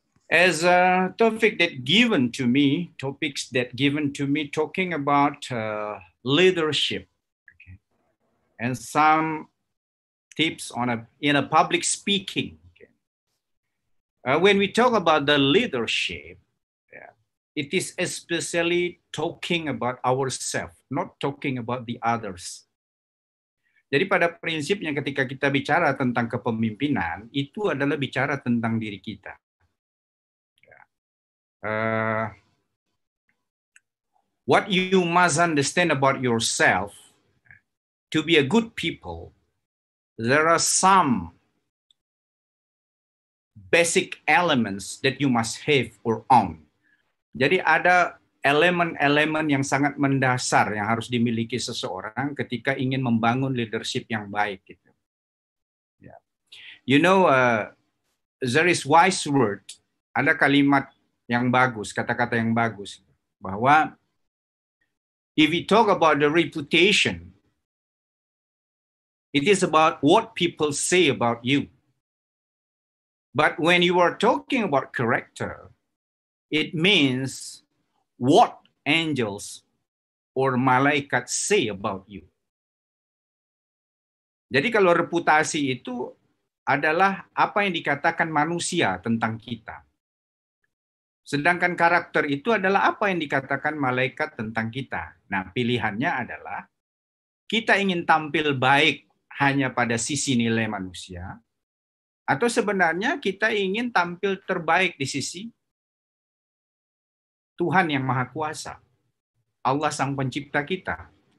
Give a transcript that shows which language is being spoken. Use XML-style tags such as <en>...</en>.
<en>As a topic that given to me, topics that given to me talking about leadership, okay, and some tips on in a public speaking. Okay. When we talk about the leadership, yeah, it is especially talking about ourselves, not talking about the others.</en> <id>Jadi pada prinsipnya ketika kita bicara tentang kepemimpinan, itu adalah bicara tentang diri kita.</id> <en>What you must understand about yourself, to be a good people, there are some basic elements that you must have or own.</en> <id>Jadi ada elemen-elemen yang sangat mendasar yang harus dimiliki seseorang ketika ingin membangun leadership yang baik. Gitu.</id> <en>You know, there is wise word,</en> <id>ada kalimat yang bagus, kata-kata yang bagus, bahwa</id> <en>if you talk about the reputation, it is about what people say about you. But when you are talking about character, it means what angels or malaikat say about you.</en> <id>Jadi kalau reputasi itu adalah apa yang dikatakan manusia tentang kita. Sedangkan karakter itu adalah apa yang dikatakan malaikat tentang kita. Nah, pilihannya adalah kita ingin tampil baik hanya pada sisi nilai manusia, atau sebenarnya kita ingin tampil terbaik di sisi Tuhan yang Maha Kuasa, Allah Sang Pencipta kita.</id>